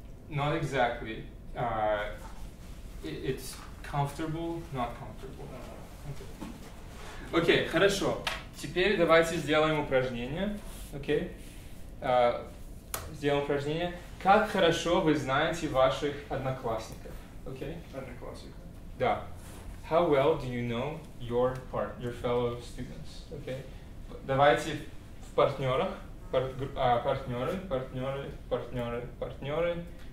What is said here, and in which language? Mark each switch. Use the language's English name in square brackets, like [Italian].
[English] Not exactly. It's comfortable, not comfortable. Okay, [Russian] хорошо. Теперь давайте сделаем упражнение. Okay. Сделаем упражнение. Как хорошо вы знаете ваших одноклассников. Okay. Одноклассников. Да. [English] how well do you know your part, your fellow students, okay? [Russian] Давайте в партнерах, партнеры.